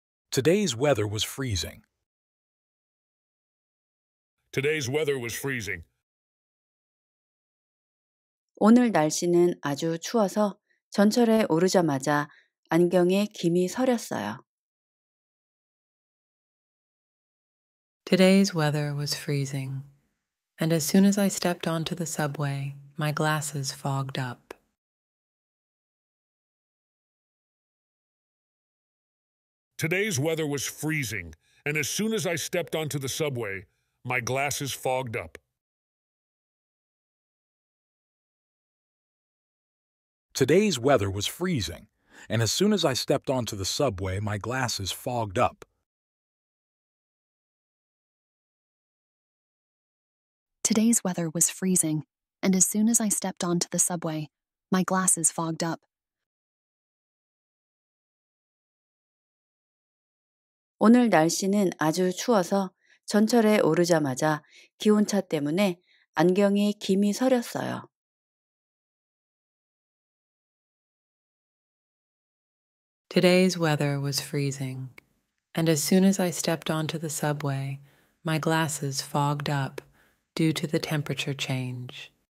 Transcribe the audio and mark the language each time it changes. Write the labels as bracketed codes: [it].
[en] Today's weather was freezing. Today's weather was freezing. [ko] 오늘 날씨는 아주 추워서 전철에 오르자마자 안경에 김이 서렸어요. [en] Today's weather was freezing, and as soon as I stepped onto the subway, my glasses fogged up. Today's weather was freezing, and as soon as I stepped onto the subway, my glasses fogged up. Today's weather was freezing, and as soon as I stepped onto the subway, my glasses fogged up. Today's weather was freezing, and as soon as I stepped onto the subway, my glasses fogged up. [ko] 오늘 날씨는 아주 추워서 전철에 오르자마자 기온차 때문에 안경에 김이 서렸어요. [en] Today's weather was freezing, and as soon as I stepped onto the subway, my glasses fogged up due to the temperature change.